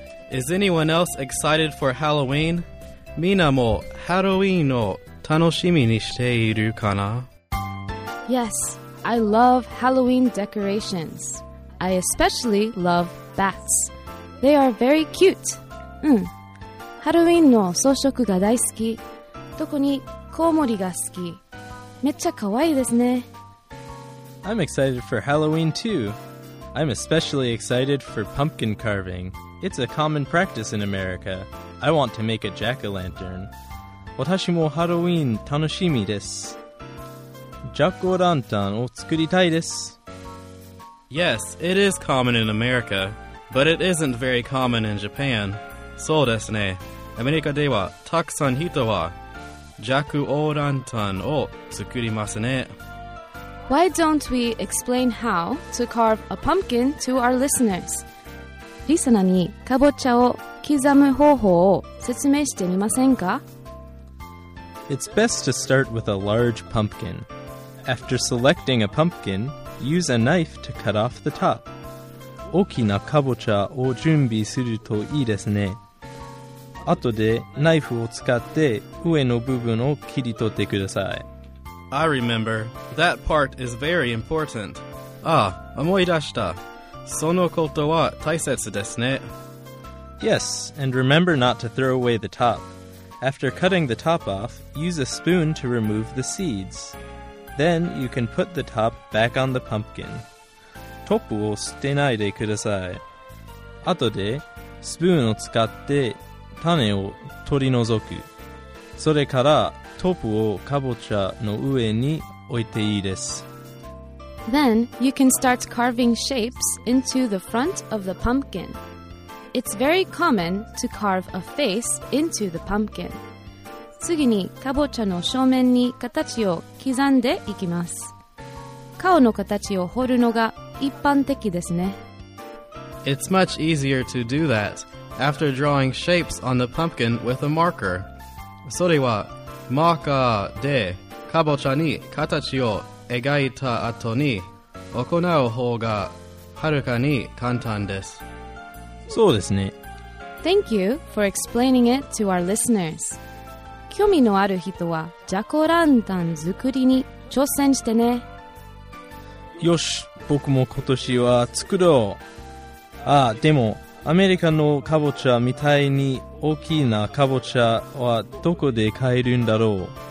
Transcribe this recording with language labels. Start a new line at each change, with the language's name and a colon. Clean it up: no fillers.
English: Is anyone else excited for Halloween?
Japanese: みんなもハロウィーンを楽しみにしているかな?
English: Yes, I love Halloween decorations. I especially love bats. They are very cute. うん。
Japanese: ハロウィーンの装飾が大好き。特にコウモリが好き。めっちゃ可愛いですね。
English: I'm excited for Halloween too. I'm especially excited for pumpkin carving. It's a common practice in America. I want to make a jack-o'-lantern.
Japanese: 私もハロウィン楽しみです。ジャック・オ・ランタンを作りたいです。
English: Yes, it is common in America, but it isn't very common in Japan.
Japanese: そうですね。アメリカではたくさん人はジャック・オ・ランタンを作りますね。
English: Why don't we explain how to carve a pumpkin to our listeners?
Japanese: リスナーにカボチャを刻む方法を説明してみませんか?
English: It's best to start with a large pumpkin. After selecting a pumpkin, use a knife to cut off the top.
Japanese: 大きなカボチャを準備するといいですね。あとでナイフを使って上の部分を切り取ってください。
English: I remember. That part is very important.
Japanese: ああ、思い出した。そのことは大切ですね。
English: Yes, and remember not to throw away the top. After cutting the top off, use a spoon to remove the seeds. Then you can put the top back on the pumpkin.
Japanese: トップを捨てないでください。あとで、スプーンを使って種を取り除く。それから、トップをカボチャの上に置いていいです。
English: Then you can start carving shapes into the front of the pumpkin. It's very common to carve a face into the pumpkin.
Japanese: 次にカボチャの正面に形を刻んでいきます。顔の形を彫るのが一般的ですね。
English: It's much easier to do that after drawing shapes on the pumpkin with a marker.
Japanese: それはマーカーでカボチャに形を描いた後に行う方がはるかに簡単です。そうですね。
English: Thank you for explaining it to our listeners.
Japanese: 興味のある人はジャコランタン作りに挑戦してね。よし、僕も今年は作ろう。ああ、でもアメリカのカボチャみたいに大きなカボチャはどこで買えるんだろう。